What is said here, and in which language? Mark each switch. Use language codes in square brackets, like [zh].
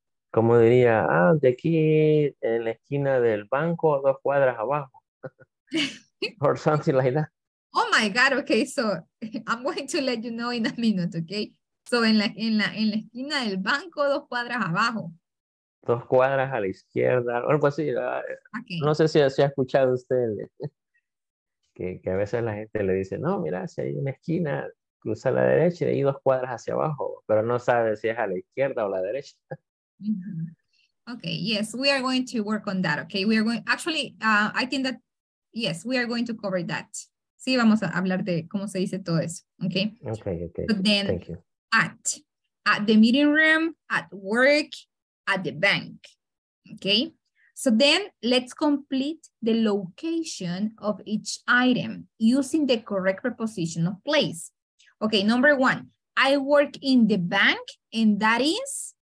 [es] como diría, de aquí en la esquina del banco, dos cuadras abajo. [en] Or something like that. Oh my God. Okay. So I'm going to let you know in a minute. Okay. [es] So en la esquina del banco, dos cuadras abajo. Dos cuadras a la izquierda. Algo así. Okay. No sé si ha escuchado usted que a veces la gente le dice, no, mira, si hay una esquina. Cruza a la derecha y dos cuadras hacia abajo, pero no sabe si es a la izquierda o la derecha. Mm-hmm. [en] Okay, yes, we are going to work on that, okay? We are going, actually, I think that, yes, we are going to cover that. [es] Sí, vamos a hablar de cómo se dice todo eso, okay? [en] Okay, okay, but then, thank you. At the meeting room, at work, at the bank, okay? So then, let's complete the location of each item using the correct preposition of place. Okay, number one, I work in the bank, and that is?